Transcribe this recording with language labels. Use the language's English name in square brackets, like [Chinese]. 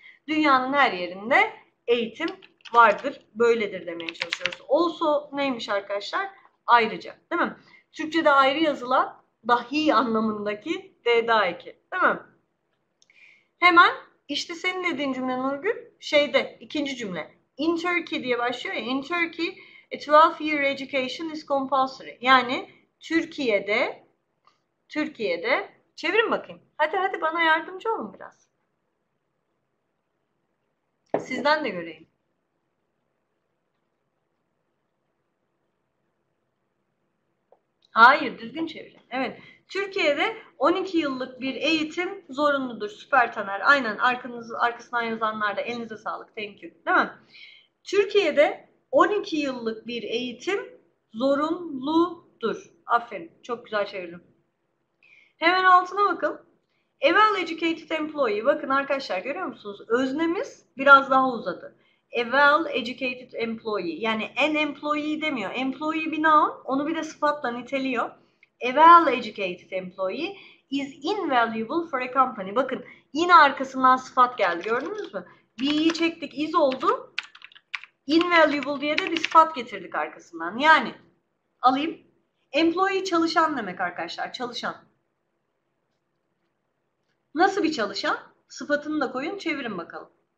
[Turkish] Dünyanın her yerinde eğitim vardır, böyledir demeye çalışıyoruz. Also neymiş arkadaşlar? Ayrıca. Değil mi? Türkçe'de ayrı yazılan dahi anlamındaki d-daiki. Değil mi? Hemen işte senin dediğin cümle Nurgül. Şeyde ikinci cümle. [English] In Turkey [Turkish] diye başlıyor ya. [English] In Turkey a 12-year education is compulsory. [Turkish] Yani Türkiye'de çevirin bakayım. Hadi hadi bana yardımcı olun biraz. Sizden de göreyim. Hayır, düzgün çevirin. Evet. Türkiye'de 12 yıllık bir eğitim zorunludur. Süper Taner. Aynen arkasından yazanlar da elinize sağlık. [English] Thank you. [Turkish] Değil mi? Türkiye'de 12 yıllık bir eğitim zorunludur. Aferin. Çok güzel çevirdim. Hemen altına bakalım. [English] A well educated employee. [Turkish] Bakın arkadaşlar görüyor musunuz? Öznemiz biraz daha uzadı. educated employee. Yani an employee demiyor. Employee bir noun, onu bir de sıfatla niteliyor. [English] A well-educated employee is invaluable for a company. [Turkish] Bakın yine arkasından sıfat geldi. Gördünüz mü? Be'yi çektik, is oldu. Invaluable diye de bir sıfat getirdik arkasından. Yani alayım. Employee çalışan demek arkadaşlar. Çalışan. Nasıl bir çalışan? Sıfatını da koyun, çevirin bakalım.